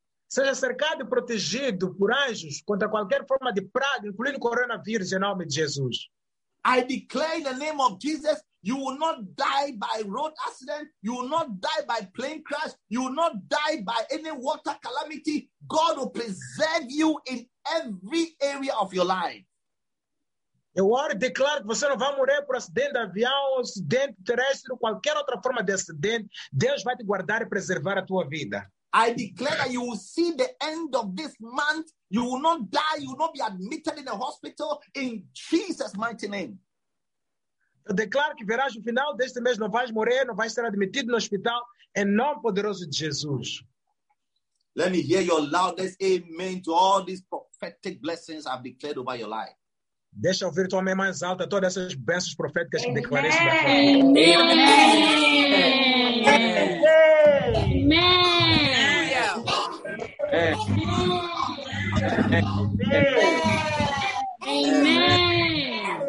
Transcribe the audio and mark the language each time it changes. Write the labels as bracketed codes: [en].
[pt] Seja cercado e protegido por anjos contra qualquer forma de praga, incluindo coronavírus, em nome de Jesus. [en] I declare in the name of Jesus, you will not die by road accident. You will not die by plane crash. You will not die by any water calamity. God will preserve you in every area of your life. [pt] Eu oro e declaro que você não vai morrer por acidente de avião, acidente terrestre, qualquer outra forma de acidente. Deus vai te guardar e preservar a tua vida. [en] I declare that you will see the end of this month. You will not die. You will not be admitted in a hospital in Jesus' mighty name. [pt] Eu declaro que verás o final deste mês, não vais morrer, não vais ser admitido no hospital, em nome poderoso de Jesus. [en] Let me hear your loudest amen to all these prophetic blessings I've declared over your life. [pt] Deixa eu ouvir tua mãe mais alta, todas essas bênçãos proféticas que declarei sobre a tua vida. Amém! Amém! Amém! Amém!